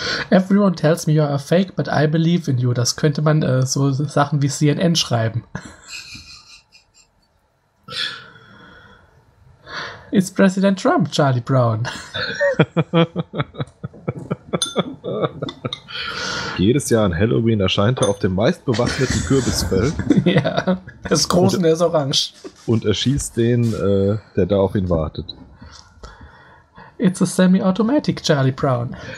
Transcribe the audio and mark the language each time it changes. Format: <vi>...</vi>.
<en>Everyone tells me you're a fake, but I believe in you.</en> <de>Das könnte man so Sachen wie CNN schreiben.</de> <en>It's President Trump, Charlie Brown.</en> <de>Jedes Jahr an Halloween erscheint er auf dem meistbewaffneten Kürbisfeld. Ja, er ist groß und er ist orange. Und er schießt den, der da auf ihn wartet.</de> <en>It's a semi-automatic Charlie Brown.</en>